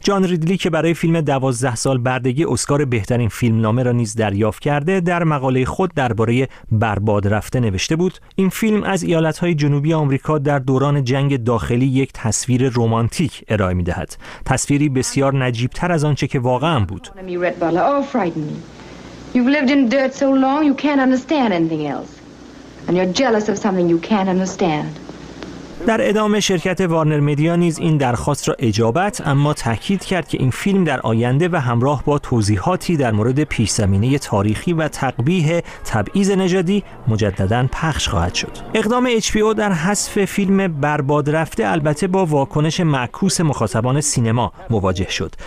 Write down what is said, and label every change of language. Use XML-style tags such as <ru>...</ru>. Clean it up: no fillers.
<fa>جان ریدلی که برای فیلم 12 سال بردگی اسکار بهترین فیلمنامه را نیز دریافت کرده، در مقاله خود درباره برباد رفته نوشته بود: این فیلم از ایالت‌های جنوبی آمریکا در دوران جنگ داخلی یک تصویر رمانتیک ارائه می‌دهد. تصویری بسیار نجیب‌تر از آنچه که واقعا بود.</fa> <en>You've lived in dirt so long you can't understand anything else. And you're jealous of something you can't understand.</en> <fa>در ادامه شرکت وارنر مدیا نیز این درخواست را اجابت، اما تاکید کرد که این فیلم در آینده و همراه با توضیحاتی در مورد پیش‌زمینه تاریخی و تقبیح تبعیض نژادی مجدداً پخش خواهد شد. اقدام HBO در حذف فیلم برباد رفته البته با واکنش معکوس مخاطبان سینما مواجه شد.</fa>